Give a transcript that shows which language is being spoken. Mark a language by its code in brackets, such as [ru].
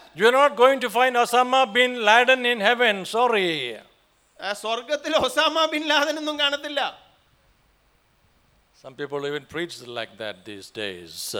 [en] You are not going to find Osama bin Laden in heaven. Sorry. [ml] സ്വർഗത്തിൽ Osama bin Laden ഒന്നും കാണത്തില്ല. [en] Some people even preach like that these days.